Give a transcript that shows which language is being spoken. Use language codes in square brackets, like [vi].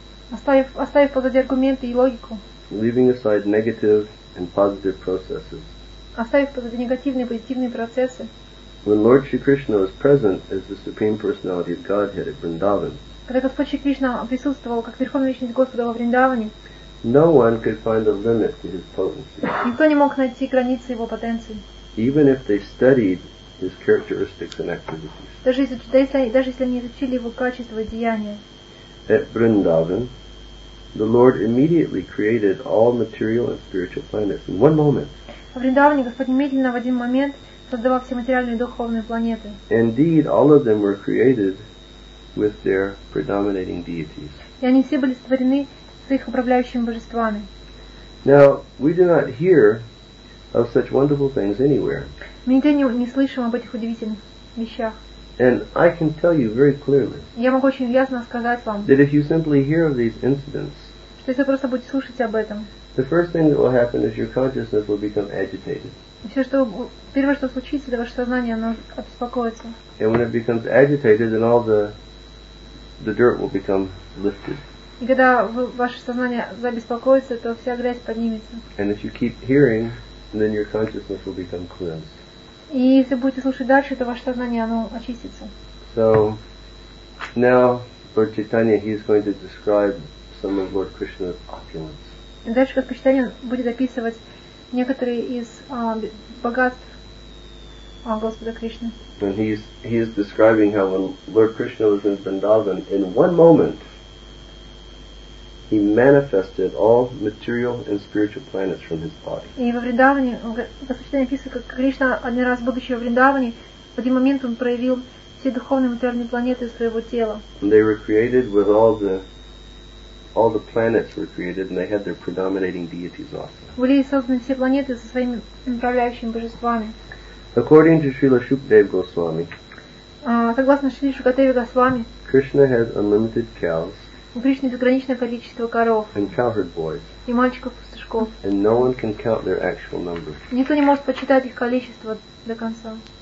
[ru] Оставив позади аргументы и логику. [en] Leaving aside negative and positive processes. [ru] Оставив позади негативные и позитивные процессы. [en] When Lord Shri Krishna was present as the Supreme Personality of Godhead at Vrindavan, [ru] когда Господь Шри Кришна присутствовал как Верховная Личность Господа во Вриндаване, [en] no one could find a limit to his potency. [ru] Никто не мог найти границы его потенции. [en] Even if they studied his characteristics and activities. [ru] Даже если они изучили его качества и деяния. [en] At Vrindavan, the Lord immediately created all material and spiritual planets in one moment. [ru] Во Вриндаване Господь немедленно в один момент создавал все материальные и духовные планеты. [en] Indeed, all of them were created with their predominating deities. [ru] И они все были сотворены с их управляющими божествами. [en] Now, we do not hear of such wonderful things anywhere. [ru] Мы нигде не слышим об этих удивительных вещах. [en] And I can tell you very clearly. [ru] Я могу очень ясно сказать вам. [en] That if you simply hear of these incidents. [ru] Что если вы просто будете слушать об этом. [en] The first thing that will happen is your consciousness will become agitated. [ru] Все, что первое, что случится, это ваше сознание, оно обеспокоится. [en] And when it becomes agitated, then all the dirt will become lifted. [ru] И когда ваше сознание забеспокоится, то вся грязь поднимется. [en] And if you keep hearing, then your consciousness will become cleansed. [ru] И если будете слушать дальше, то ваше сознание, оно очистится. [en] So now Lord Chaitanya, he is going to describe some of Lord Krishna's opulence. [ru] Дальше Господь Чайтанья будет описывать некоторые из богатств Господа Кришны. [en] And he's describing how when Lord Krishna was in Vrindavan, in one moment he manifested all material and spiritual planets from his body. [ru] И во Вриндаване Господь Чайтанья описывает, как Кришна один раз, будучи во Вриндаване, в один момент он проявил все духовные и материальные планеты своего тела. [en] And they were created with all the planets were created, and they had their predominating deities also. [ru] Были созданы все планеты со своими управляющими божествами. [en] According to Srila Shukadeva Goswami, [ru] согласно Шри Шукадеве Госвами, [en] Krishna has unlimited cows. [ru] У Кришны безграничное количество коров. [en] And cowherd boys. [ru] И мальчиков-пастушков. [en] And no one can count their actual number. [ru] Никто не может подсчитать их количество до конца.